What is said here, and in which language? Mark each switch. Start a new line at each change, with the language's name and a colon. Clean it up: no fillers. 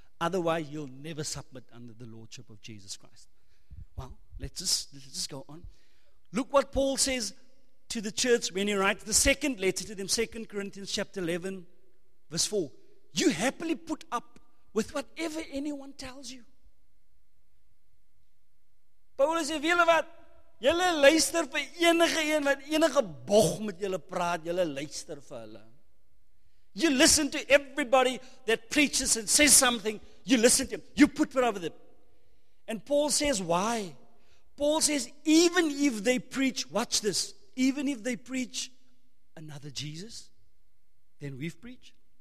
English: Otherwise, you'll never submit under the Lordship of Jesus Christ. Well, let's just go on. Look what Paul says to the church when he writes the second letter to them, 2 Corinthians chapter 11, verse 4. You happily put up with whatever anyone tells you.
Afrikaans: Paul is jy wat? Jylle luister vir enige een wat enige bog met jylle praat, jylle luister vir hulle.
English: You listen to everybody that preaches and says something, you listen to them, you put it over them. And Paul says, why? Paul says, even if they preach, watch this, even if they preach another Jesus than we've preached,